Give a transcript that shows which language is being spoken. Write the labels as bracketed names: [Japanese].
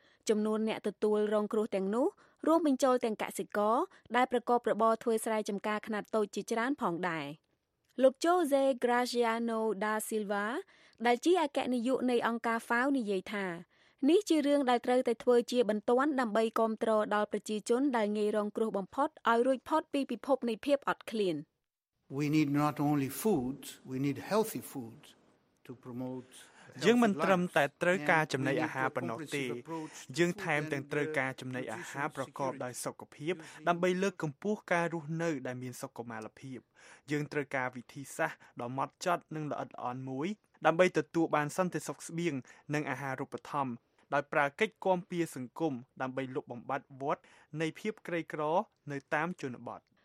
[Khmer] ចំនួនអ្នកទទួលរងគ្រោះទាំងនោះរួមបញ្ចូលទាំងកសិករដែលប្រកបរបរធ្វើស្រែចម្ការខ្នាតតូចជាច្រើនផងដែរលោក José Graziano da Silva ដែលជាអគ្គនាយកនៃអង្គការ FAO និយាយថានេះជារឿងដែលត្រូវតែធ្វើជាបន្ទាន់ដើម្បីគាំទ្រដល់ប្រជាជនដែលងាយរងគ្រោះបំផុតឲ្យរួចផុតពីពិភពនៃភាពអត់ឃ្លាន [English] We need not only foods, we need healthy foods to promote [Khmer] យើងមិនត្រឹមតែត្រូវការចំណីអាហារប៉ុណ្ណោះទេយើងថែមទាំងត្រូវការចំណីអាហារប្រកបដោយសុខភាពដើម្បីលើកកម្ពស់ការរស់នៅដែលមានសុខុមាលភាពយើងត្រូវការវិធីសាស្ត្រដ៏ម៉ត់ចត់និងល្អិតល្អន់មួយដើម្បីទទួលបានសន្តិសុខស្បៀងនិងអាហារូបត្ថម្ភដោយប្រើកិច្ចគាំពារសង្គមដើម្បីលុបបំបាត់វដ្តនៃភាពក្រីក្រនៅតាមជនបទ